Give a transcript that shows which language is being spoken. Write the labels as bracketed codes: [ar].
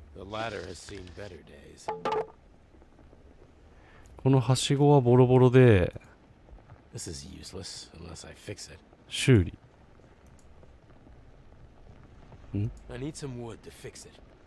[en] ladder has seen better days. [ja] このはしごはボロボロで、 [en] This is useless unless I fix it. [ja] 修理。ん？ [en] I need some wood to fix it.